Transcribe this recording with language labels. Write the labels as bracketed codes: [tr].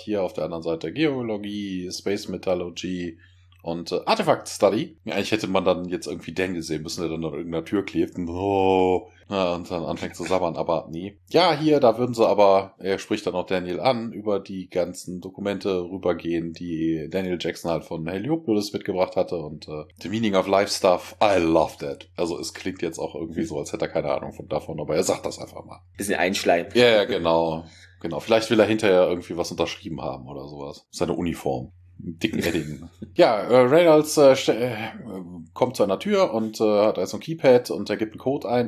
[de] Hier auf der anderen Seite Geologie, Space Metallurgy und Artifact Study. Eigentlich hätte man dann jetzt irgendwie Daniel sehen müssen, der dann an irgendeiner Tür klebt. Und dann anfängt zu sabbern, aber nie. Ja, hier, da würden sie aber, er spricht dann auch Daniel an, über die ganzen Dokumente rübergehen, die Daniel Jackson halt von Heliopolis mitgebracht hatte. Und [en] The Meaning of Life Stuff, I love that. [de] Also es klingt jetzt auch irgendwie so, als hätte er keine Ahnung davon, aber er sagt das einfach mal. Bisschen Einschleim. Ja, genau. Vielleicht will er hinterher irgendwie was unterschrieben haben oder sowas. Seine Uniform. Dicken Edding. Ja, Reynolds kommt zu einer Tür und hat also ein Keypad und er gibt einen Code ein.